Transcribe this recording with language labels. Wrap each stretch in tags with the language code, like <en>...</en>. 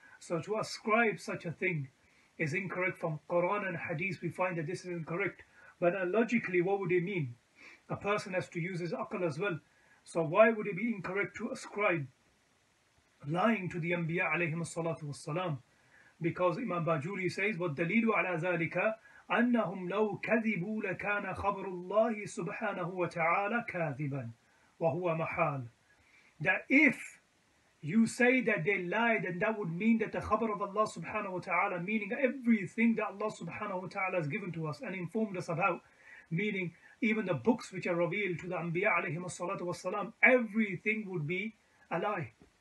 <en>So to ascribe such a thing is incorrect. From Quran and Hadith we find that this is incorrect. But logically, what would it mean? A person has to use his aql as well. So why would it be incorrect to ascribe lying to the Anbiya alayhim as-salatu was-salam? Because Imam Bajuri says,</en> <ar>وَالدَّلِيلُ عَلَى ذَلِكَ أَنَّهُمْ لَوْ كَذِبُوا لَكَانَ خَبْرُ اللَّهِ سُبْحَانَهُ وَتَعَالَى كَاذِبًا وَهُوَ مَحَالٌ.</ar> <en>That if you say that they lied, and that would mean that the khabar of Allah subhanahu wa ta'ala, meaning everything that Allah subhanahu wa ta'ala has given to us and informed us about, meaning even the books which are revealed to the Anbiya alayhim as-salatu was-salam, everything would be a lie.</en>